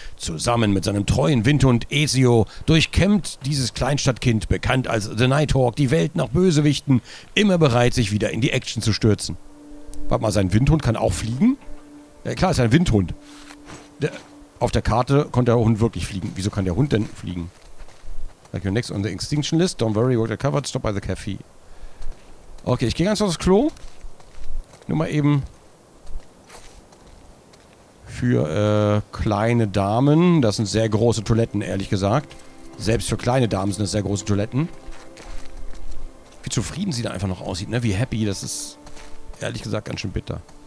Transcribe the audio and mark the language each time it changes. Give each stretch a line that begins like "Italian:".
German: Zusammen mit seinem treuen Windhund Ezio durchkämmt dieses Kleinstadtkind, bekannt als The Nighthawk, die Welt nach Bösewichten, immer bereit, sich wieder in die Action zu stürzen. Warte mal, sein Windhund kann auch fliegen? Ja, klar, ist ein Windhund. Auf der Karte konnte der Hund wirklich fliegen. Wieso kann der Hund denn fliegen?
English: Like you're next on the extinction list. Don't worry, we're covered. Stop by the cafe.
German: Okay, ich gehe ganz aufs Klo. Nur mal eben für kleine Damen. Das sind sehr große Toiletten, ehrlich gesagt. Selbst für kleine Damen sind das sehr große Toiletten. Wie zufrieden sie da einfach noch aussieht, ne? Wie happy, das ist ehrlich gesagt ganz schön bitter.